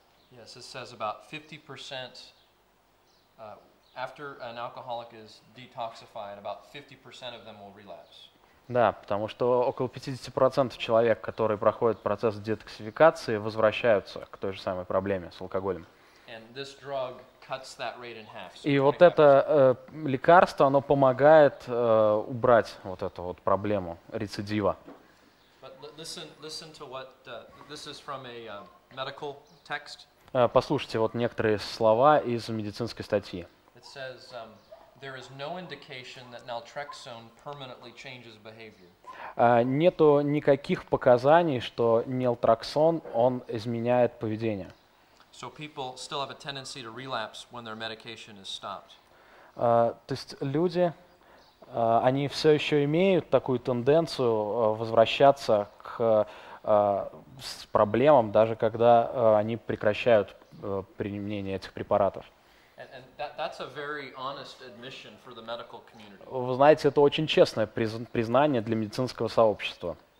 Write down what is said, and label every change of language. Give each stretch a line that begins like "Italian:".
English: Yes, it says about 50% after an alcoholic is detoxified, about 50% of them will relapse.
Russian: Да, потому что около 50% человек, которые проходят процесс детоксификации, возвращаются к той же самой проблеме с алкоголем.
English: And this drug cuts that rate in half.
Russian: И вот это лекарство, оно помогает убрать вот эту вот проблему рецидива.
English: But listen to what this is from a medical text.
Russian: Послушайте вот некоторые слова из медицинской статьи.
English: It says, there is no indication that naltrexone permanently changes behavior.
Russian: Нету никаких показаний, что нелтроксон, он изменяет поведение.
English: So people still have a tendency to relapse when their medication is stopped.
Russian: То есть люди, они все еще имеют такую тенденцию возвращаться к с проблемам, даже когда они прекращают применение этих препаратов. Вы знаете, это очень честное признание для медицинского сообщества.